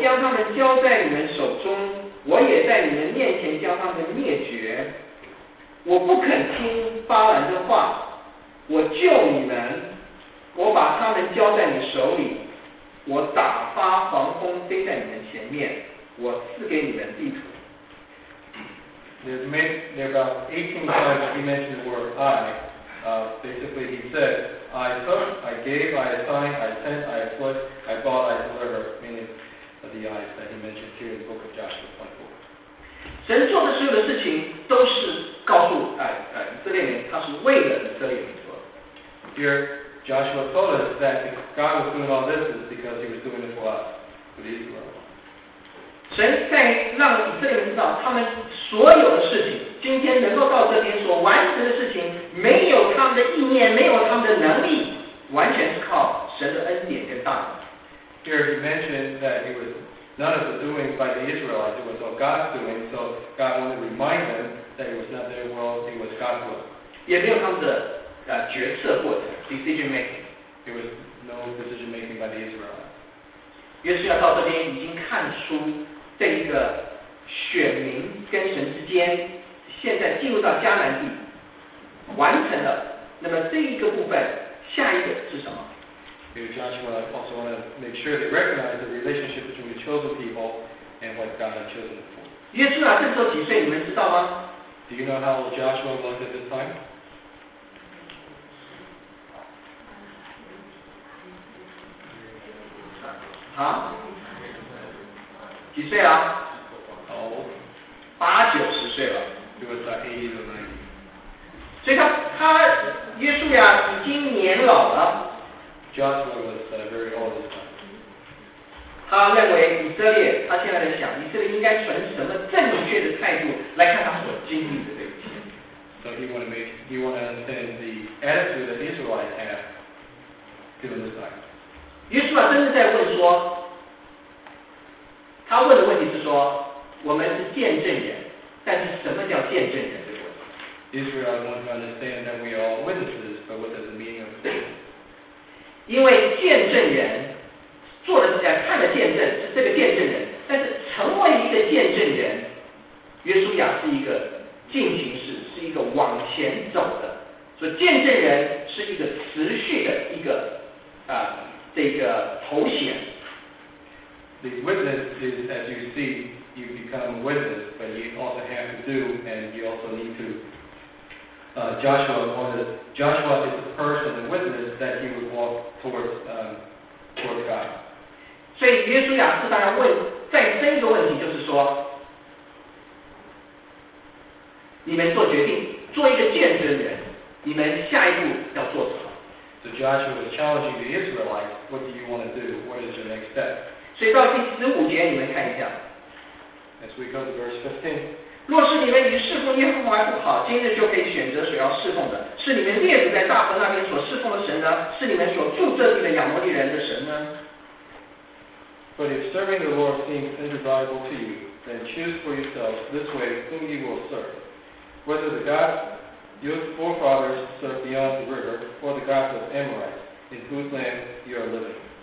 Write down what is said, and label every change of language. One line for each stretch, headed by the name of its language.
Chinese: 将他们交在你们手中，我也在你们面前将他们灭绝。我不肯听巴兰的话，我救你们，我把他们交在你手里，我打发黄蜂飞在你们前面，我赐给你们地图。
English: There's maybe about 18 times he mentioned the word I. Basically, he said, I took, I gave, I assigned, I sent, I afflict, I bought, I delivered, meaning of the I's that he mentioned here in the book of Joshua 24.
Chinese: 神做的所有的事情都是告诉以色列人，他是为了以色列人做。
English: Here, Joshua told us that if God was doing all this, it's because he was doing it for us, for the Israel.
Chinese: 神在让以色列人知道，他们所有的事情，今天能够到这边所完成的事情，没有他们的意念，没有他们的能力，完全是靠神的恩典跟大能。
English: Here he mentioned that it was none of the doing by the Israelites, it was all God's doing. So God wanted to remind them that it was not their will, it was God's will.
Chinese: 也没有他们的决策过程
English: decision making. There was no decision making by the Israelites.
Chinese: 约书亚到这边已经看出这一个选民跟神之间现在进入到迦南地完成了，那么这一个部分下一个是什么？因为
English: Joshua also want to make sure they recognize the relationship between the chosen people and what God has chosen for.
Chinese: 约书亚这时候几岁，你们知道吗？
English: Do you know how old Joshua was at this time?
Chinese: 啊，几岁啊？哦，八九十岁了。就是在 A.D. 的那里。所以他约书亚已经年老了。
English: Joshua was very old.
Chinese: 他认为以色列，他现在在想，以色列应该存什么正确的态度来看他所经历的这一切。
English: So he want to make, he want to understand the attitude that Israelites have given this time.
Chinese: 约书亚真的在问说，他问的问题是说，我们是见证人，但是什么叫见证人？这个问题。
English: Israel wants to understand that we are witnesses, but what does the meaning of this?
Chinese: 因为见证人做的是看的见证，是这个见证人，但是成为一个见证人，约书亚是一个进行式，是一个往前走的，所以见证人是一个持续的一个这个头衔。
English: The witness is, as you see, you become a witness, but you also have to do, and you also need to. Joshua wanted, Joshua is the person, the witness that he would walk towards, towards God.
Chinese: 所以约书亚是当然问，再深一个问题就是说，你们做决定，做一个见证人，你们下一步要做什么？
English: So Joshua was challenging the Israelites, what do you want to do? What is your next step?
Chinese: 所以到第十五节你们看一下。
English: As we go to verse 15.
Chinese: 若是你们以侍奉耶和华不好，今日就可以选择所要侍奉的，是你们列祖在大河那边所侍奉的神呢，是你们所住这地的亚摩利人的神呢？
English: But if serving the Lord seems undesirable to you, then choose for yourselves this way whom you will serve. Whether the GodYour forefathers served beyond the river, or the gods of Amorites, in whose land you are living.